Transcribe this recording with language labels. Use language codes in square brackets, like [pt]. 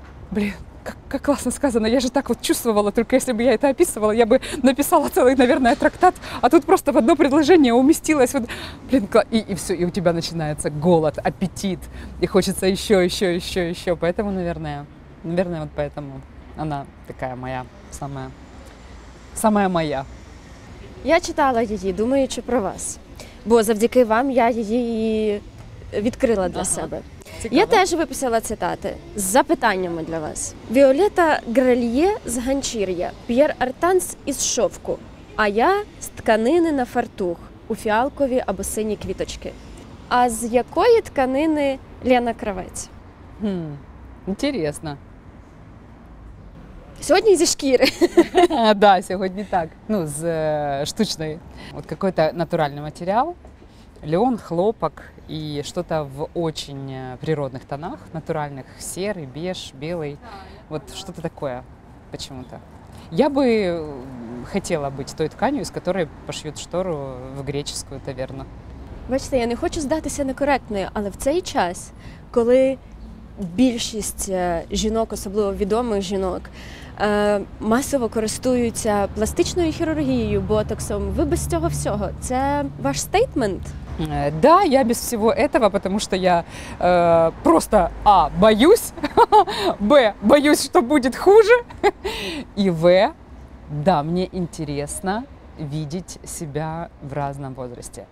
[ru] Блин, как классно сказано, я же так вот чувствовала, только если бы я это описывала, я бы написала целый, наверное, трактат, а тут просто в одно предложение уместилось, вот, блин, и все, и у тебя начинается голод, аппетит, и хочется еще, поэтому, наверное, вот поэтому она такая моя, самая моя. [uk] Я читала її, думаючи про вас, бо завдяки вам я її відкрила для себе. Цікаво. Я теж виписала цитати з запитаннями для вас. Віолетта Грельє з Ганчір'я, П'єр Артанс із Шовку, а я з тканини на фартух у фіалкові або сині квіточки. А з якої тканини Лена Кравець? Інтересно. Сьогодні зі шкіри. Да, сьогодні так. Ну, з штучної. [ru] От какой-то [uk] натуральний матеріал. [ru] Льон, хлопок и что-то в очень природных тонах, натуральных, серый, беж, белый, вот что-то такое почему-то. Я бы хотела быть той тканью, из которой пошьют штору в греческую таверну. [uk] Бачите, я не хочу здатися некоректною, але в цей час, коли більшість жінок, особливо відомих жінок, масово користуються пластичною хірургією, ботоксом, ви без цього всього, це ваш стейтмент? [ru] Да, я без всего этого, потому что я просто, а, боюсь, б, боюсь, что будет хуже, и в, да, мне интересно видеть себя в разном возрасте.